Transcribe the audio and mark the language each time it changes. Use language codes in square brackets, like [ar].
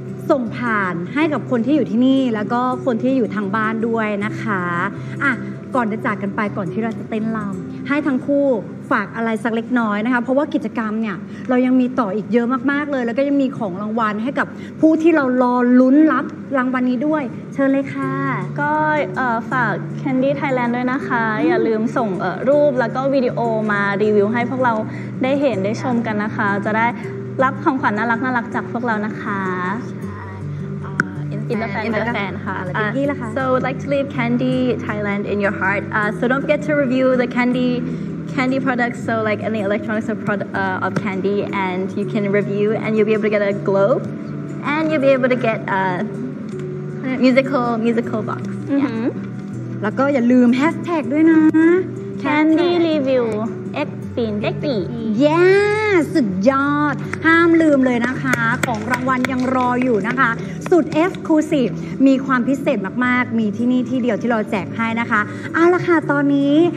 [th] ส่งผ่านให้กับคนที่อยู่ที่นี่แล้วก็คนที่อยู่ทางบ้านด้วยนะคะอ่ะก่อนจะจากกันไปก่อนที่เราจะเต้นรำให้ทั้งคู่ฝากอะไรสักเล็กน้อยนะคะเพราะว่ากิจกรรมเนี่ยเรายังมีต่ออีกเยอะมากๆเลยแล้วก็ยังมีของรางวัลให้กับผู้ที่เรารอลุ้นรับรางวัลนี้ด้วยเชิญเลยค่ะ ก็ฝาก Candy Thailand ด้วยนะคะอย่าลืมส่งรูปแล้วก็วิดีโอมารีวิวให้พวกเราได้เห็นได้ชมกันนะคะจะได้รับของขวัญน่ารักน่ารักจากพวกเรานะคะ [en] So would like to leave Candy Thailand in your heart. So don't forget to review the Candy candy products, so like any electronics of candy, and you can review and you'll be able to get a globe and you'll be able to get a musical box. Mm-hmm. Yeah. [th] แล้วก็อย่าลืม hashtag ด้วยนะ [en] candy review x ปีนเด็กปี [th] แย่ สุดยอดห้ามลืมเลยนะคะของรางวัลยังรออยู่นะคะสุด Exclusive มีความพิเศษมากๆมีที่นี่ที่เดียวที่เราแจกให้นะคะเอาละค่ะตอนนี้